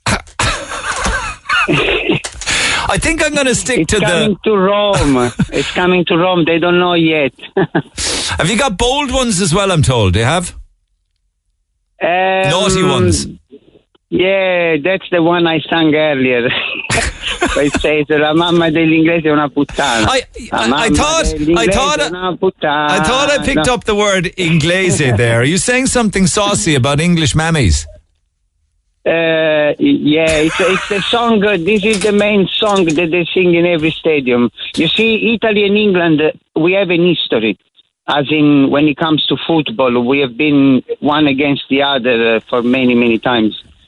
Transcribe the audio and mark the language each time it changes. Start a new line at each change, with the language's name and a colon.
English: I think I'm going to stick to the. It's coming to Rome. It's coming to Rome. They don't know yet. Have you got bold ones as well, I'm told? Do you have? Naughty ones. Yeah, that's the one I sang earlier. I say
Italian: la mamma dell'inglese è una puttana.
English: I thought I picked up the word inglese there. Are you saying something saucy about English mammies? It's a song. This is the main song that they sing in every stadium. You see, Italy and England, we have an history. As in, when it comes to football, we have been one against the other for many, many times.